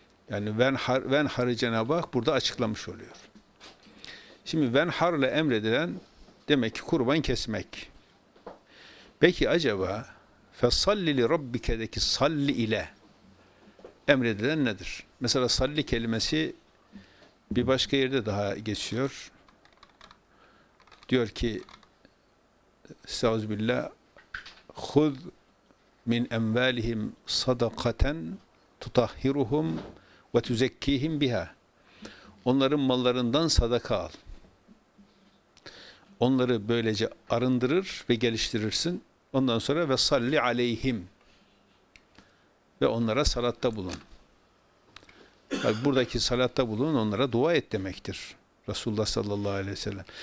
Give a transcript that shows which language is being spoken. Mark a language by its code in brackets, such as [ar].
[tr] Yani venharı Cenab-ı Hak burada açıklamış oluyor. Şimdi venharla emredilen demek ki kurban kesmek. Peki acaba [ar] فَصَلِّ لِرَبِّكَدَكِ [tr] salli ile emredilen nedir? Mesela salli kelimesi bir başka yerde daha geçiyor. Diyor ki Estağfirullah [ar] خُذْ مِنْ اَمْوَالِهِمْ صَدَقَةً تُطَهِّرُهُمْ وَتُزَكِّيهِمْ بِهَا. [tr] Onların mallarından sadaka al. Onları böylece arındırır ve geliştirirsin. Ondan sonra [ar] ve salli aleyhim [tr] ve onlara salatta bulun. Tabii buradaki salatta bulun onlara dua et demektir. Resulullah sallallahu aleyhi ve sellem.